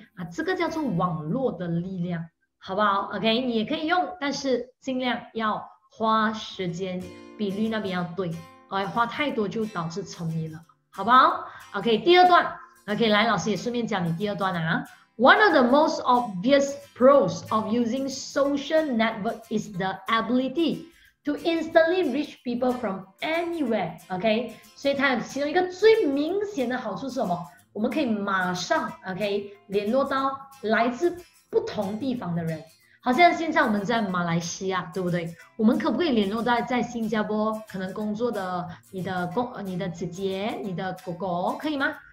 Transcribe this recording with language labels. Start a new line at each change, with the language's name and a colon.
Chinese: 啊，这个叫做网络的力量，好不好 ？OK， 你也可以用，但是尽量要花时间，比率那边要对，花太多就导致沉迷了，好不好 ？OK， 第二段 ，OK， 来，老师也顺便讲你第二段啊。
English: One of the most obvious pros of using social network is the ability to instantly reach people from anywhere.
Chinese: OK， 所以它其中一个最明显的好处是什么？我们可以马上 OK 联络到来自不同地方的人。好像现在我们在马来西亚，对不对？我们可不可以联络到在新加坡可能工作的你的姐姐、你的哥哥，可以吗？